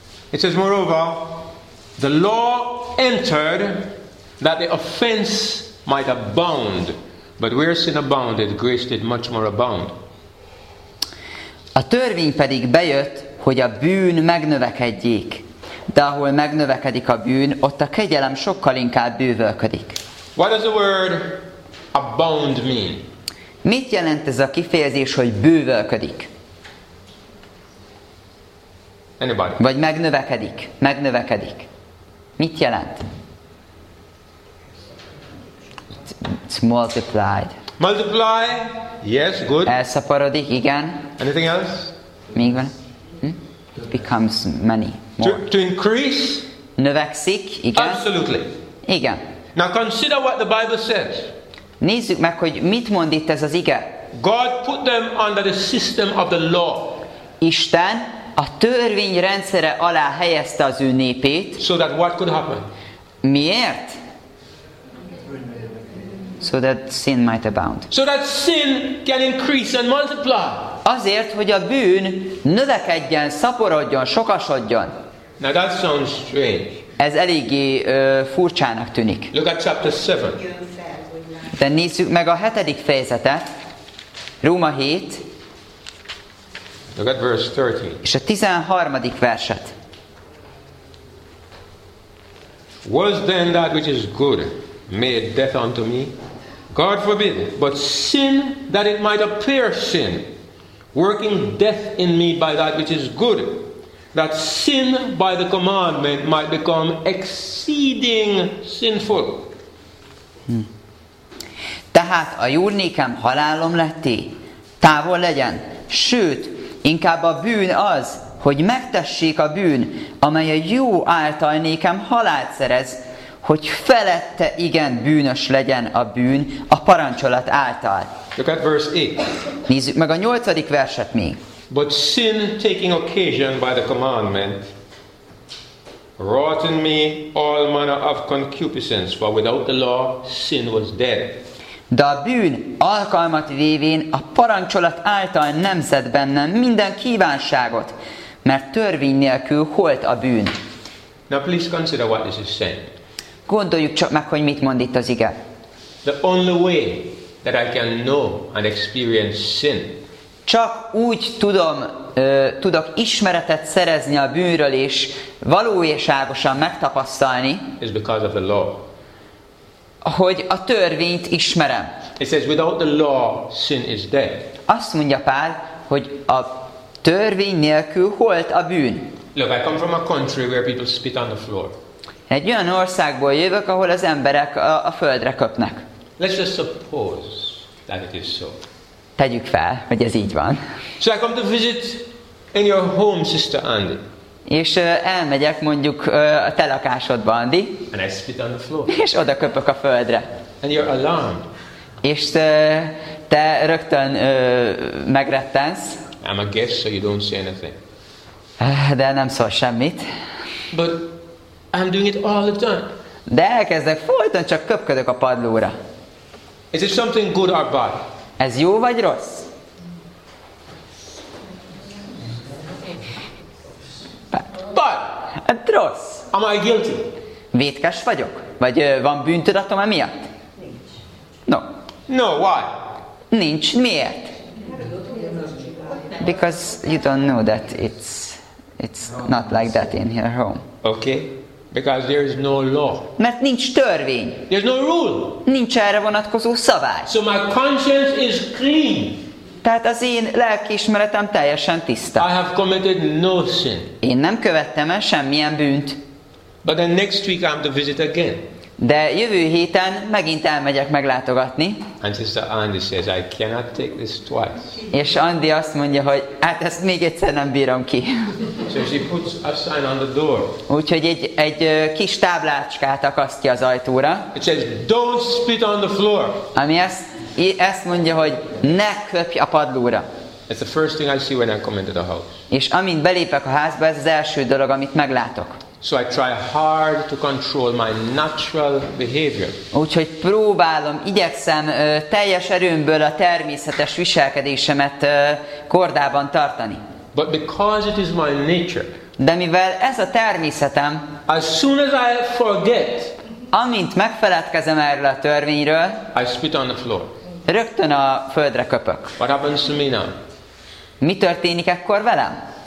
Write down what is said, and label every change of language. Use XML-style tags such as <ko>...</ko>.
<en>It says moreover, the law entered that the offense might abound, but where sin abounded, grace did much more abound.</en> <hu>A törvény pedig bejött, hogy a bűn megnövekedjék. De ahol megnövekedik a bűn, ott a kegyelem sokkal inkább bővölködik.</hu> <en>What does the word abound mean?</en> <hu>Mit jelent ez a kifejezés, hogy bővölködik?</hu> <en>Anybody?</en> <hu>Vagy megnövekedik? Megnövekedik. Mit jelent?</hu> <en>It's multiplied. Multiply, yes, good.</en> <hu>Elszaporodik, igen.</hu> <en>Anything else?</en> <hu>Még van.</hu> <en>It becomes many. To increase?</en> <hu>Növekszik, igen.</hu> <en>Absolutely.</en> <hu>Igen.</hu> <en>Now consider what the Bible says.</en> <hu>Nézzük meg, hogy mit mond itt ez az ige.</hu> <en>God put them under the system of the law.</en> <hu>Isten a törvény rendszere alá helyezte az ő népét.</hu> <en>So that what could happen?</en> <hu>Miért?</hu> <en>So that sin might abound. So that sin can increase and multiply.</en> <hu>Azért, hogy a bűn növekedjen, szaporodjon, sokasodjon.</hu> <en>Now that sounds strange.</en> <hu>Ez eléggé furcsának tűnik.</hu> <en>Look at chapter 7.</en> <hu>De nézzük meg a hetedik fejezetet. Róma 7.</hu> <en>Look at verse 13.</en> <hu>És a 13. verset.</hu> <en>Was then that which is good made death unto me? God forbid, but sin that it might appear sin, working death in me by that which is good, that sin by the commandment might become exceeding sinful.</en> <hu>Tehát a jó nékem halálom letté, távol legyen, sőt, inkább a bűn az, hogy megtessék a bűn, amely a jó által nékem halált szerez, hogy felette igen bűnös legyen a bűn a parancsolat által.</hu> <en>Look at verse 8.</en> <hu>Nézzük meg a 8. verset még.</hu> <en>But sin taking occasion by the commandment wrought in me all manner of concupiscence, for without the law sin was dead.</en> <hu>De a bűn alkalmat vévén a parancsolat által nemzett bennem minden kívánságot, mert törvény nélkül holt a bűn.</hu> <en>Now please consider what this is saying.</en> <hu>Gondoljuk csak meg, hogy mit mond itt az ige.</hu> <en>The only way that I can know and experience sin.</en> <hu>Csak úgy tudom, tudok ismeretet szerezni a bűnről és valóságosan megtapasztalni.</hu> <en>Is because of the law.</en> <hu>Hogy a törvényt ismerem.</hu> <en>It says without the law sin is dead.</en> <hu>Azt mondja Pál, hogy a törvény nélkül holt a bűn.</hu> <en>Look, I come from a country where people spit on the floor.</en> <hu>Egy olyan országból jövök, ahol az emberek a földre köpnek.</hu> <en>Let's just suppose that it is so.</en> <hu>Tegyük fel, hogy ez így van.</hu> <en>So I come to visit in your home, Sister Andy.</en> <hu>És elmegyek mondjuk a te lakásodba, Andy.</hu> <en>And I spit on the floor.</en> <hu>És oda köpök a földre.</hu> <en>And you're alarmed.</en> <hu>És te rögtön megrettensz.</hu> <en>I'm a guest, so you don't say anything.</en> <hu>De nem szól semmit.</hu> <en>But I'm doing it all the time.</en> <hu>De elkezdek folyton csak köpködök a padlóra.</hu> <en>Is it something good or bad?</en> <hu>Ez jó vagy rossz?</hu> <en>Bad. Bad.</en> <hu>Rossz.</hu> <en>Am I guilty?</en> <hu>Vétkes vagyok? Vagy van bűntudatom emiatt? Nincs.</hu> <en>No. No, why?</en> <hu>Nincs. Miért?</hu> <en>Because you don't know that it's not like that in your home. Okay. Because there is no law.</en> <hu>Mert nincs törvény.</hu> <en>There's no rule.</en> <hu>Nincs erre vonatkozó szabály.</hu> <en>So my conscience is clean.</en> <hu>Tehát az én lelkiismeretem teljesen tiszta.</hu> <en>I have committed no sin.</en> <hu>Én nem követtem el semmilyen bűnt.</hu> <en>But then next week I'm to visit again.</en> <hu>De jövő héten megint elmegyek meglátogatni.</hu> <en>And Sister Andy says I cannot take this twice.</en> <hu>És Andy azt mondja, hogy hát ezt még egyszer nem bírom ki.</hu> <en>So she puts a sign on the door.</en> <hu>Úgyhogy egy kis táblácskát akasztja az ajtóra.</hu> <en>It says don't spit on the floor.</en> <hu>Ami ezt mondja, hogy ne köpj a padlóra.</hu> <en>It's the first thing I see when I come into the house.</en> <hu>És amint belépek a házba, ez az első dolog, amit meglátok.</hu> <en>So I try hard to control my natural behavior.</en> <hu>Úgyhogy próbálom, igyekszem teljes erőmből a természetes viselkedésemet kordában tartani.</hu> <en>But because it is my nature.</en> <hu>De mivel ez a természetem.</hu> <en>As soon as I forget.</en> <hu>Amint megfeledkezem erről a törvényről.</hu> <en>I spit on the floor.</en> <hu>Rögtön a földre köpök.</hu> <en>What happens to me now?</en> <hu>Mi történik ekkor velem?</hu>